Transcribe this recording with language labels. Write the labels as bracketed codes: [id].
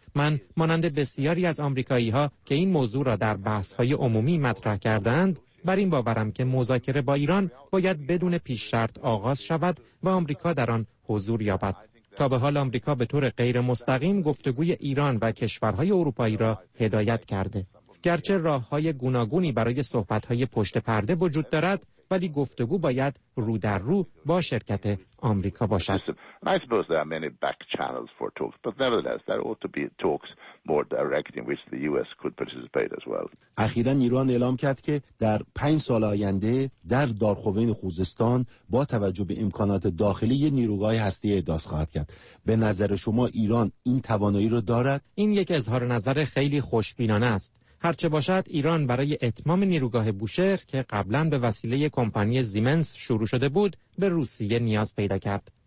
[fa] من مانند بسیاری از آمریکایی‌ها که این موضوع را در بحث‌های عمومی مطرح کرده‌اند بر این باورم که مذاکره با ایران باید بدون پیش شرط آغاز شود و آمریکا در آن حضور یابد. تا به حال آمریکا به طور غیر مستقیم گفتگوی ایران و کشورهای اروپایی را هدایت کرده. گرچه راه‌های گوناگونی برای صحبت‌های پشت پرده وجود دارد ولی گفتگو باید رو در رو با شرکت آمریکا باشد. [en] I suppose there are many back channels for talks, but nevertheless there ought to be talks more direct in which the US could participate as well. [fa] اخیراً ایران اعلام کرد که در 5 سال آینده در دارخوین خوزستان با توجه به امکانات داخلی نیروگاه هسته‌ای احداث خواهد کرد. به نظر شما ایران این توانایی را دارد؟ این یک اظهار نظر خیلی خوشبینانه است. هرچه باشد ایران برای اتمام نیروگاه بوشهر که قبلا به وسیله کمپانی زیمنس شروع شده بود به روسیه نیاز پیدا کرد.